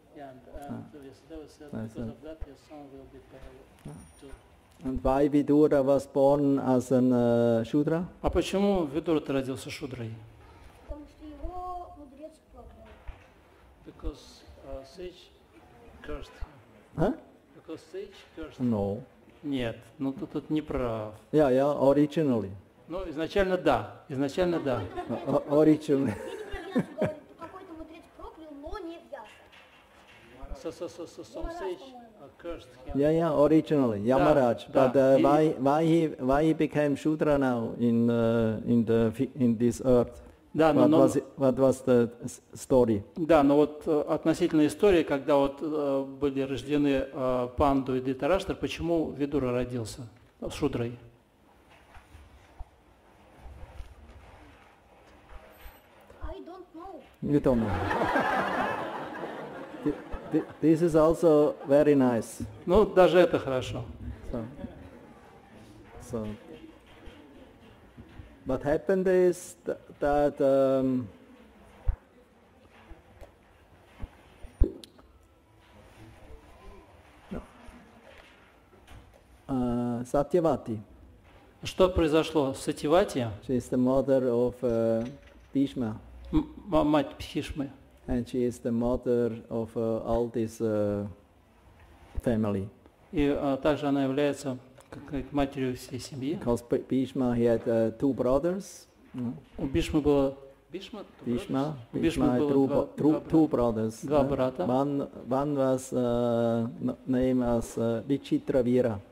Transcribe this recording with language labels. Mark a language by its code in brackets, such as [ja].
[en] Yeah, and because of that, your son will be pale. And why Vidura was born as an shudra? [ru] А почему Видура родился шудрой? Потому что его мудрец проклял. [en] Because sage cursed. Huh? Because sage cursed. No. [ru] Нет, ну тут не прав. [en] Yeah, originally. [ru] Ну, изначально да. [en] Originally. [ru] Какой-то мудрец проклял, но не взялся. [en] So some sage cursed him. Yeah, originally, Yamaraj. Да, but why he became Shudra now in this earth? [ru] Да, [en] what was the story? [ru] Да, но вот относительно истории, когда вот были рождены Панду и Дхритарашта, почему Видура родился шудрой? [en] I don't know. You don't know. This is also very nice. [ru] Ну, даже это хорошо. [en] So. What happened is that Satyavati. [ru] Что произошло с Сатьявати? [en] She is the mother of Bhishma. [ru] Мать Бхишмы. [en] And she is the mother of all this family. [ru] И также она является как матерью всей семьи. [en] Because Bhishma, he had two brothers. [ru] У Бхишмы было [en] two brothers. [ru] Два брата. [en] One was named as Vichitravira.